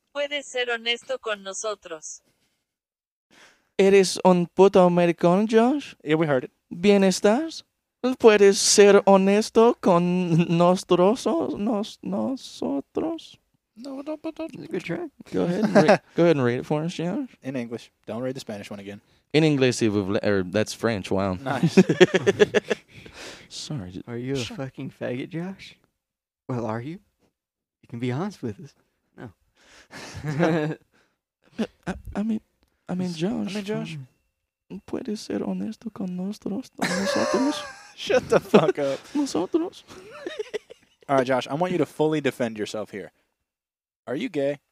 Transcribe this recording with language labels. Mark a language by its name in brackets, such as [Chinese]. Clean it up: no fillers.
[Spanish] Puedes ser honesto con nosotros. Eres un puto maricón, Josh. [English] Yeah, we heard it. [Spanish] ¿Bien estás? Puedes ser honesto con nosotros. No, no, no, no. [English] It's a good track. Go ahead. Go ahead and read it for us, Josh. In English. Don't read the Spanish one again. In English, that's French, wow. Nice. Sorry. Are you a fucking faggot, Josh? Well, are you? You can be honest with us. No. I mean, Josh. [Spanish] ¿Puedes ser honesto con nosotros? [English] Shut the fuck up. [Spanish] Nosotros. [English] All right, Josh, I want you to fully defend yourself here. Are you gay?